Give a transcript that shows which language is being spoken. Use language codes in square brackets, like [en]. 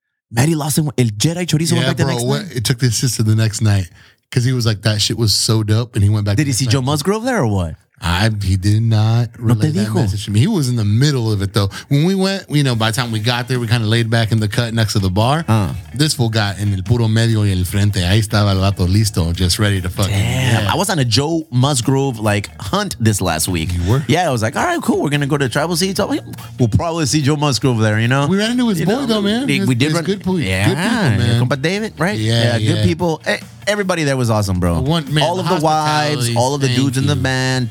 [en] Maddie Lawson, El Jedi Chorizo went back the next night. It took the assistant the next night because he was like, that shit was so dope, and he went back. Did he see Joe Musgrove there or what? He did not relay that message to me. He was in the middle of it, though. When we went, you know, by the time we got there, we kind of laid back in the cut next to the bar. This fool got in [es] el puro medio y el frente. Ahí estaba el vato listo, [en] just ready to fucking. Damn. Yeah. I was on a Joe Musgrove, like, hunt this last week. You were? Yeah, I was like, all right, cool. We're going to go to Tribal City. We'll probably see Joe Musgrove there, you know? We ran into his boy, though, man. We did run. Good people, yeah. Good people, man. Compa David, right? Yeah, good people. Hey. Everybody there was awesome, bro. All of the wives, all of the dudes in the band.